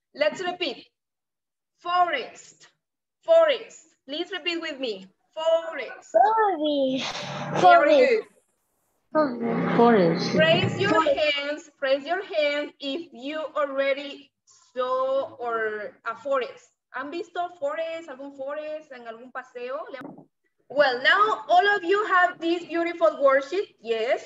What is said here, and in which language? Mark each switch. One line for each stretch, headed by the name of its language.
English: Let's repeat. Forest, forest. Please repeat with me. Forest. Forest. Raise your hands. Raise your hand if you already saw or a forest.
Spanish: ¿Han visto forest, algún forest, en algún paseo?
English: Well, now all of you have this beautiful worksheet. Yes.